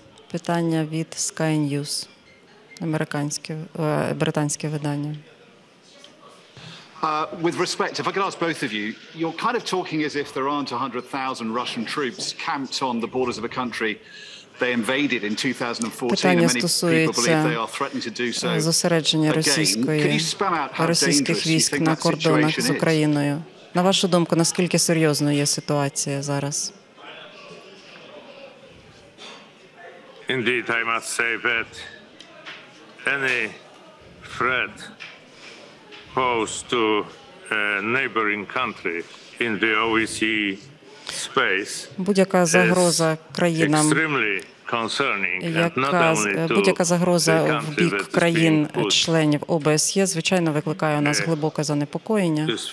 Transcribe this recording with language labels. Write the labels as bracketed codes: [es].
[uk] Питання від Sky News, британське видання. [en] With respect, if I could ask both of you, you're kind of talking as if there aren't 100,000 Russian troops camped on the borders of a country they invaded in 2014, and many people believe they are threatening to do so again. [uk] Зосередження російської російських військ на кордонах з Україною. На вашу думку, наскільки серйозною є ситуація зараз? [en] Indeed, I must say that any threat posed to a neighboring country in the OECD space [uk] будь-яка загроза країнам [en] extremely concerning, [uk] яка, будь-яка загроза в бік країн-членів ОБСЄ, звичайно, викликає у нас глибоке занепокоєння.